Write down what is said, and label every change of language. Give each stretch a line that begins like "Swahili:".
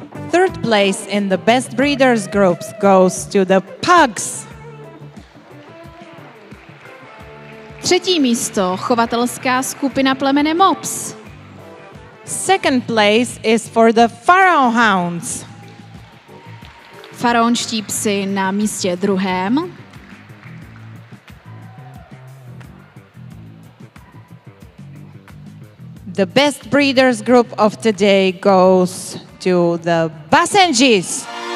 English: Third place in the best breeders groups goes to the pugs.
Czech: Třetí místo, chovatelská skupina plemene mops.
English: Second place is for the pharaoh hounds.
Czech: Faraonští psi na místě druhém.
English: The best breeders group of today goes to the Basenjis.